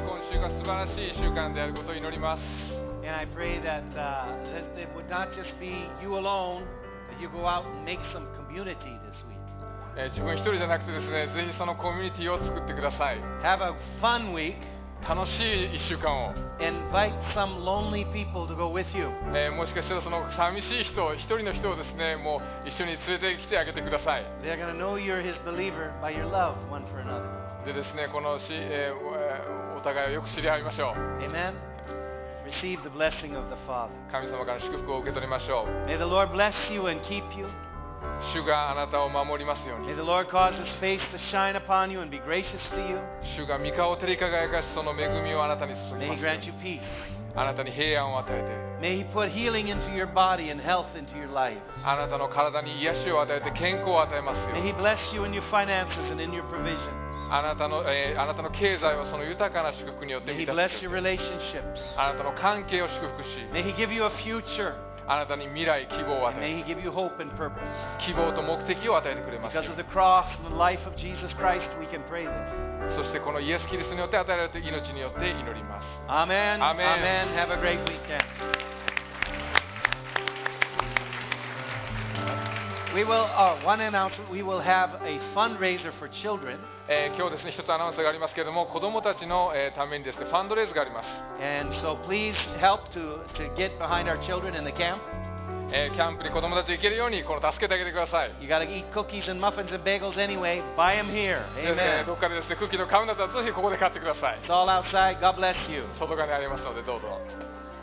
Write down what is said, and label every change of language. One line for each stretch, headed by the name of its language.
English: And I pray that, that it would not just be you alone, but you go out and make some community this week.
Japanese: 自分一人じゃなくてですね、ぜひそのコミュニティを作ってください。
English: Have a fun week.
Japanese: 楽しい一週間を。
English: Invite some lonely people to go with you.
Japanese: もしかしたらその寂しい人、一人の人をですね、もう一緒に連れてきてあげてください。
English: They're going to know you're his believer by your love one for another.
Japanese: でですね、このお互いをよく知り合いましょう。
English: Amen. receive the blessing of the Father.
Japanese: 神様から祝福を受け取りましょう。
English: May the Lord bless you and keep you.
Japanese: 主があなたを守りますように。
English: May the Lord cause His face to shine upon you and be gracious to you.
Japanese: 主が御顔を照り輝かし、その恵みをあなたに注ぎます。
English: May He grant you peace.
Japanese: あなたに平安を与えて。
English: May He put healing into your body and health into your life.
Japanese: あなたの体に癒しを与えて健康を与えますように。
English: May He bless you in your finances and in your provision.
Japanese: あなたの経済をその豊かな祝福によって満たしてください。あなたの関係を祝福し、
English: May He give you a future.
Japanese: あなたに未来、希望を与え、
English: May He give you hope and purpose.
Japanese: 希望と目的を与えてくれます。
English: Because of the cross and the life of Jesus Christ, we can pray this.
Japanese: そしてこのイエス・キリストによって与えられた命によって祈ります。
English: Amen. Amen. Amen. Have a great weekend. We will, one announcement, we will have a fundraiser for children.
Japanese: 今日ですね、一つアナウンスがありますけれども、子どもたちの、ためにですね、ファンドレイズがあります。
English: And so please help to get behind our children in the camp.
Japanese: キャンプに子どもたち行けるように、この助けてあげてください。
English: You gotta eat cookies and muffins and bagels anyway. Buy them here. Amen.
Japanese: どっかでですね、クッキーの買うんだったら、ぜひここで買ってください。
English: It's all outside. God bless you.
Japanese: 外側にありますので、どうぞ。